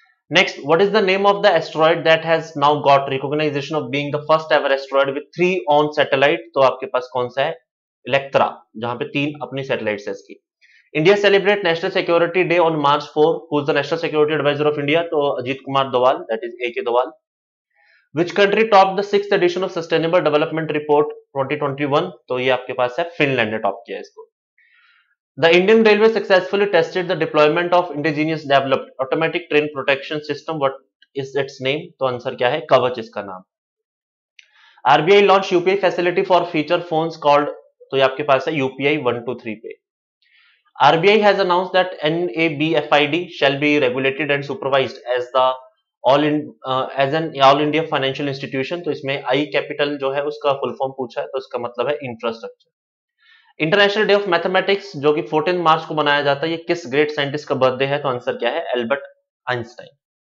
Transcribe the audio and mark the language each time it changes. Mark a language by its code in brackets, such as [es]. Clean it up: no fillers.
[en] next what is the name of the asteroid that has now got recognition of being the first ever asteroid with 3 on satellite, [hi] तो आपके पास कौन सा है, Electra, जहां पे 3 अपनी सैटेलाइट है इसकी। [en] India celebrate national security day on March 4, who is the national security adviser of India, तो Ajit Kumar Doval, that is AK Doval. Which country topped the 6th edition of Sustainable Development Report 2021? [hi] तो ये आपके पास है, फिनलैंड ने टॉप किया इसको। [en] The Indian Railway successfully tested the deployment of indigenous developed automatic train protection system. What is its name? [hi] तो answer क्या है? कवच इसका नाम। [en] RBI launched UPI facility for feature phones called, [hi] तो ये आपके पास है UPI 123 पे। [en] RBI has announced that NABFID shall be regulated and supervised as the All India financial institution, [hi] तो इसमें आई कैपिटल जो है उसका फुल फॉर्म पूछा है, तो उसका मतलब है infrastructure. International day of mathematics जो कि 14 मार्च को मनाया जाता है, ये किस ग्रेट साइंटिस्ट का बर्थडे है, तो आंसर क्या है, अल्बर्ट आइंस्टाइन।